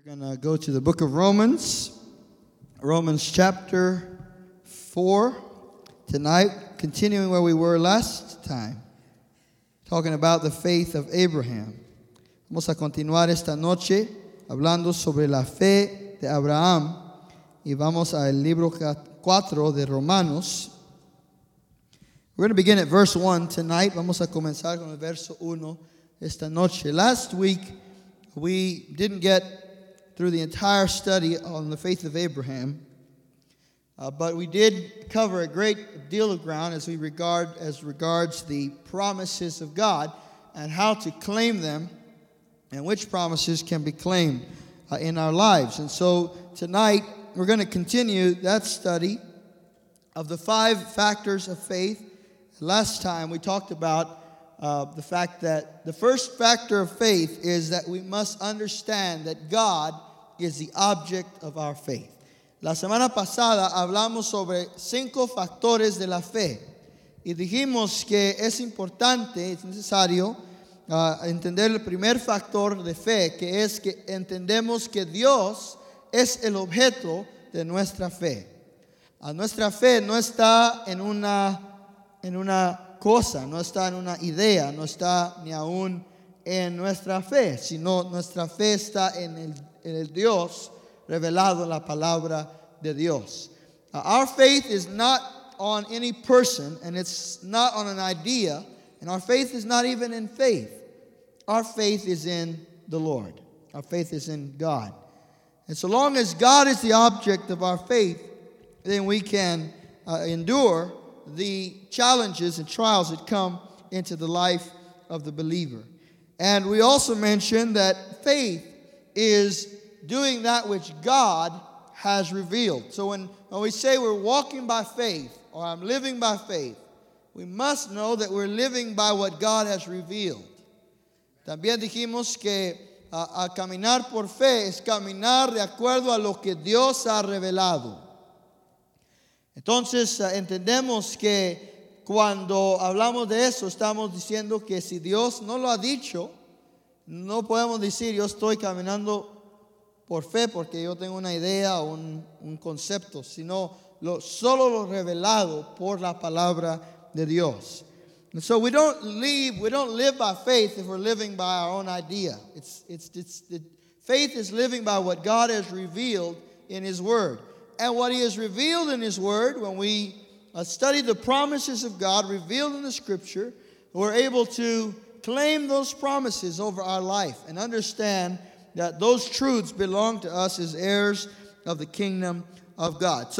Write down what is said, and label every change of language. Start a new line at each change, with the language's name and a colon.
English: Gonna go to the book of Romans, Romans chapter 4 tonight, continuing where we were last time, talking about the faith of Abraham.
Spanish: Vamos a continuar esta noche hablando sobre la fe de Abraham y vamos al libro 4 de Romanos.
English: We're going to begin at verse 1 tonight.
Spanish: Vamos a comenzar con el verso 1 esta noche.
English: Last week we didn't get through the entire study on the faith of Abraham. But we did cover a great deal of ground as regards the promises of God and how to claim them and which promises can be claimed in our lives. And so tonight we're going to continue that study of the five factors of faith. Last time we talked about the fact that the first factor of faith is that we must understand that God is the object of our faith.
Spanish: La semana pasada hablamos sobre cinco factores de la fe. Y dijimos que es importante, es necesario, entender el primer factor de fe, que es que entendemos que Dios es el objeto de nuestra fe. Nuestra fe no está en una cosa, no está en una idea, no está ni aún en nuestra fe, sino nuestra fe está en el Dios revelado en la palabra de Dios.
English: Our faith is not on any person, and it's not on an idea, and our faith is not even in faith. Our faith is in the Lord. Our faith is in God. And so long as God is the object of our faith, then we can endure the challenges and trials that come into the life of the believer. And we also mentioned that faith is doing that which God has revealed. So when we say we're walking by faith, or I'm living by faith, we must know that we're living by what God has revealed.
Spanish: También dijimos que a caminar por fe es caminar de acuerdo a lo que Dios ha revelado. Entonces entendemos que cuando hablamos de eso, estamos diciendo que si Dios no lo ha dicho, no podemos decir yo estoy caminando por fe porque yo tengo una idea o un concepto, sino solo lo revelado por la palabra de Dios.
English: And so we don't live by faith if we're living by our own idea. Faith is living by what God has revealed in His Word. And what He has revealed in His Word, when we study the promises of God revealed in the Scripture, we're able to claim those promises over our life and understand that those truths belong to us as heirs of the kingdom of God.